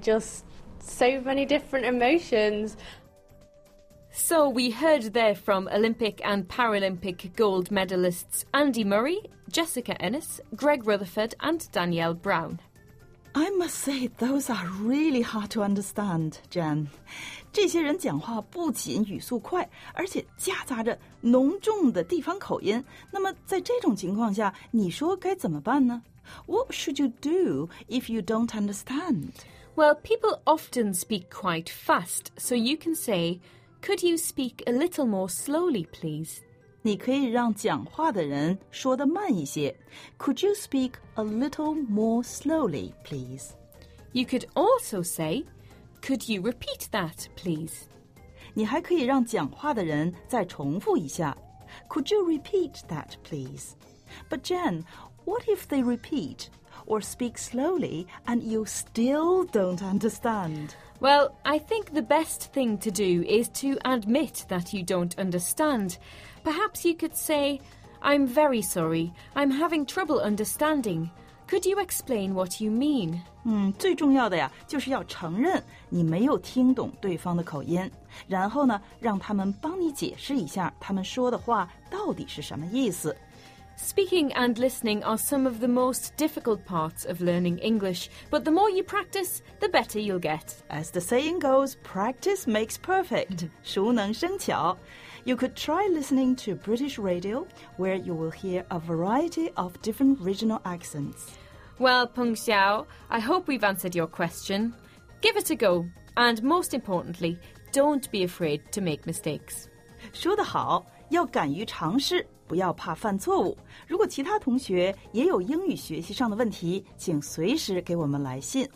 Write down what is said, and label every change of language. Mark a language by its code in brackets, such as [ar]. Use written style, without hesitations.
[en] Just so many different emotions. So we heard there from Olympic and Paralympic gold medalists Andy Murray, Jessica Ennis, Greg Rutherford and Danielle Brown. I must say, those are really hard to understand, Jen. [zh] 这些人讲话不仅语速快，而且夹杂着浓重的地方口音。那么在这种情况下，你说该怎么办呢？ [en] What should you do if you don't understand? Well, people often speak quite fast, so you can say, could you speak a little more slowly, please? [zh] 你可以让讲话的人说得慢一些。 [en] Could you speak a little more slowly, please? You could also say, could you repeat that, please? [zh] 你还可以让讲话的人再重复一下。 [en] Could you repeat that, please? But Jen, what if they repeat or speak slowly and you still don't understand? Well, I think the best thing to do is to admit that you don't understand. Perhaps you could say, I'm very sorry, I'm having trouble understanding. Could you explain what you mean? [zh] 最重要的呀，就是要承认你没有听懂对方的口音，然后呢，让他们帮你解释一下他们说的话到底是什么意思。 [en] Speaking and listening are some of the most difficult parts of learning English, but the more you practice, the better you'll get. As the saying goes, practice makes perfect. [zh] 熟能生巧。 [en] You could try listening to British radio, where you will hear a variety of different regional accents. Well, Peng Xiao, I hope we've answered your question. Give it a go, and most importantly, don't be afraid to make mistakes. [zh] 说得好，要敢于尝试。不要怕犯错误。如果其他同学也有英语学习上的问题，请随时给我们来信。